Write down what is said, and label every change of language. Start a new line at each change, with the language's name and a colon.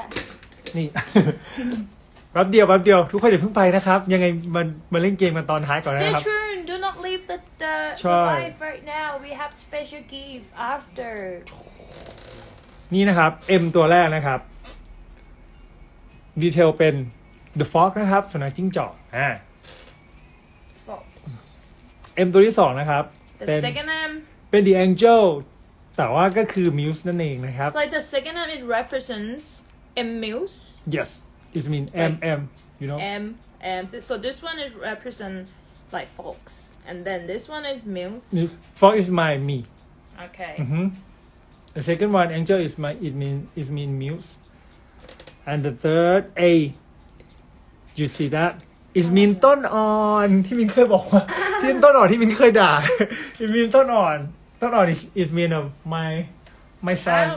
Thai: นี่แป๊บเดียวทุกคนอย่าเพิ่งไปนะครับยังไงมันเล่นเกมกันตอนท้ายก่อนนะครับ
English: Stay tuned do not leave the live right now we have special gift after
Thai: นี่นะครับ M ตัวแรกนะครับดีเทลเป็น the fox นะครับสุนัขจิ้งจอก
English: fox
Thai: M ตัวที่สองนะครับ
English: the second M
Thai: เป็น the angel แต่ว่าก็คือ muse นั่นเองนะครับ
English: like the second name it represents m muse yes it mean like m you know m so this one is represent like fox and then this one is muse fox is my me okay mm-hmm. the second one angel is my it mean muse and the third a you see thatis mean
Thai: ต้นอ่อนที่มินเคยบอกว่าที่ต้นอ่อนที่มินเคยด่า
English: it mean
Thai: ต้นอ่อน
English: is mean of my son